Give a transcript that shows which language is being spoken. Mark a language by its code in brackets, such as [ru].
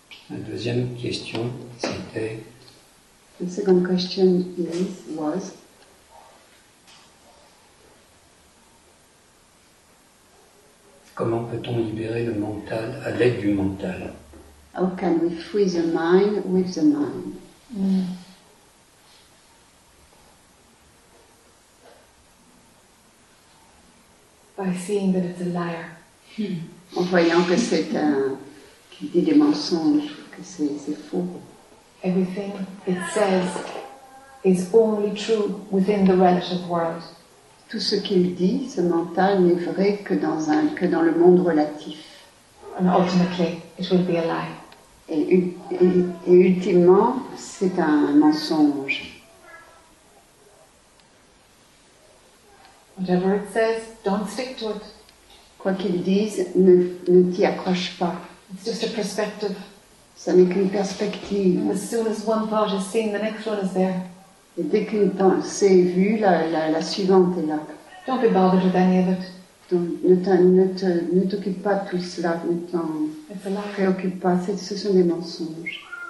[fr] Deuxième question, c'était. [en] The second question was. [fr] Comment peut-on libérer le mental à l'aide du mental? [en] How can we free the mind with the mind? Mm. By seeing that it's a liar. [fr] En voyant que c'est qu'il dit des mensonges. Que c'est faux. [en] Everything it says is only true within the relative world. [fr] Tout ce qu'il dit, ce mental, n'est vrai que dans le monde relatif. [en] And ultimately, it will be a lie. [fr] Et ultimement, c'est un mensonge. [en] Whatever it says, don't stick to it. [fr] Quoi qu'il dise, ne t'y accroche pas. [en] It's just a perspective. [fr] Ça n'est qu'une perspective. [en] As soon as one thought is seen, the next one is there. [fr] Et dès que c'est vu, la suivante est là. [en] Don't be bothered with any of it. [fr] Ne t'occupe pas de tout cela, ne t'en préoccupe pas, ce sont des mensonges.